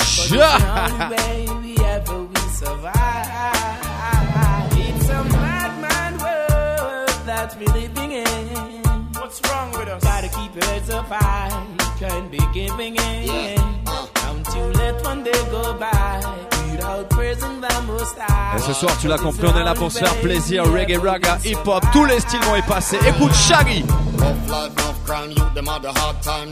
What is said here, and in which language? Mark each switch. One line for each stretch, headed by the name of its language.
English: The only way we ever will survive. It's a mad, mad world that we're living in. What's wrong with us? Gotta keep your heads up high. You can't be giving in. Yeah. Don't you let one day go by without praising the Most High.
French: Et ce soir, tu l'as compris, on est là pour se faire plaisir. Reggae, raga, hip hop, tous les styles vont y passer. Écoute Shaggy.
English: Off life, off crime, you them had a hard time.